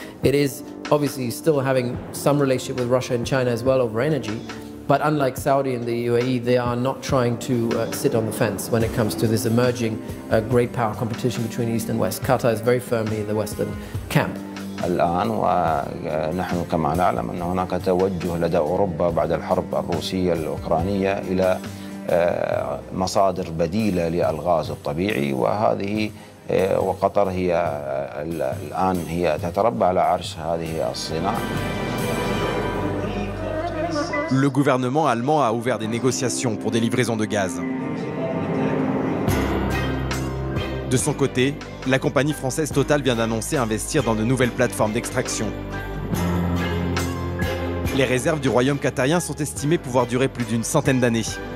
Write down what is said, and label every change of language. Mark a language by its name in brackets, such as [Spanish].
[English] It is obviously still having some relationship with Russia and China as well over energy, but unlike Saudi and the UAE, they are not trying to sit on the fence when it comes to this emerging great power competition between East and West. Qatar is very firmly in the Western camp. [Arabic] الآن ونحن كما نعلم أن هناك توجه لدى أوروبا بعد الحرب الروسية الأوكرانية إلى مصادر بديلة للغاز الطبيعي وهذه وقطر هي الآن هي تتربع على عرش هذه الصناعة. [French] Le gouvernement allemand a ouvert des négociations pour des livraisons de gaz. De son côté, la compagnie française Total vient d'annoncer investir dans de nouvelles plateformes d'extraction. Les réserves du royaume qatarien sont estimées pouvoir durer plus d'une centaine d'années.